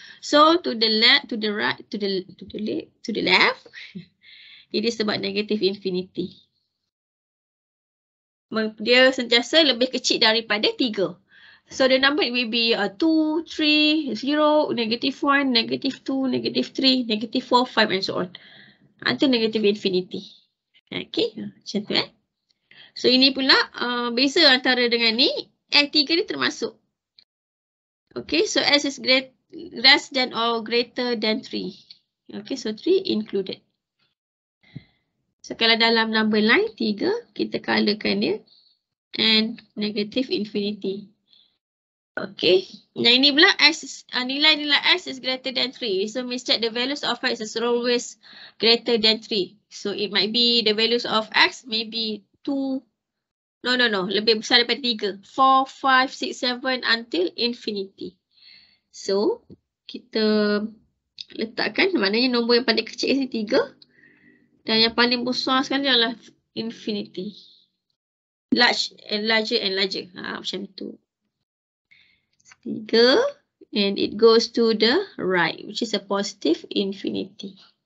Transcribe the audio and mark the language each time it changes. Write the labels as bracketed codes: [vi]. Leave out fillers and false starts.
[en] So to the left, to the right, to the left. [ms] Jadi sebab negatif infinity. Dia sentiasa lebih kecil daripada 3. [en] So the number will be 2, 3, 0, negative 1, negative 2, negative 3, negative 4, 5 and so on. Until negative infinity. Okay, [ms] macam tu eh. So ini pula beza antara dengan ni, L3 ni termasuk. [en] Okay, so S is less than or greater than 3. Okay, so 3 included. So [ms] kalau dalam [en] number line 3, [ms] kita colorkan dia [en] and negative infinity. Okay, [ms] yang ini pula [en] S is, [ms] nilai-nilai [en] S is greater than 3. So means that the values of X is always greater than 3. So it might be the values of X maybe 2. [ms] No. Lebih besar daripada 3. 4, 5, 6, 7 [en] until infinity. [ms] So, kita letakkan maknanya nombor yang paling kecil ni 3. Dan yang paling besar sekali adalah infinity. [en] Large and larger and larger. [ms] Macam tu. [en] 3 and it goes to the right, which is a positive infinity.